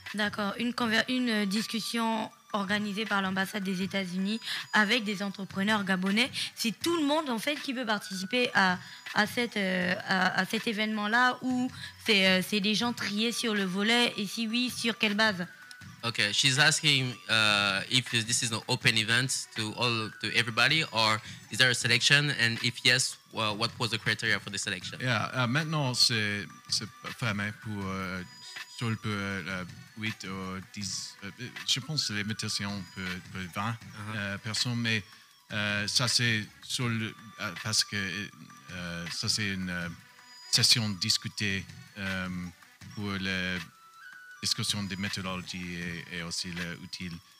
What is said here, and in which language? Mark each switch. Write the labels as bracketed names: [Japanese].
[French] D'accord. Une discussion organisée par l'ambassade des États-Unis avec des entrepreneurs gabonais. C'est tout le monde en fait qui veut participer à cet événement-là, ou c'est des gens triés sur le volet, et si oui, sur quelle base? [English] Ok, she's asking if this is an open event to everybody, or is there a selection, and if yes, what was the criteria for the selection? [French] Yeah, maintenant c'est fermé pour seul pour 8 ou 10, je pense que c'est l'invitation pour 20 personnes, mais ça c'est seul parce que ça c'est une session discutée pour la discussion des méthodologies et aussi les outils.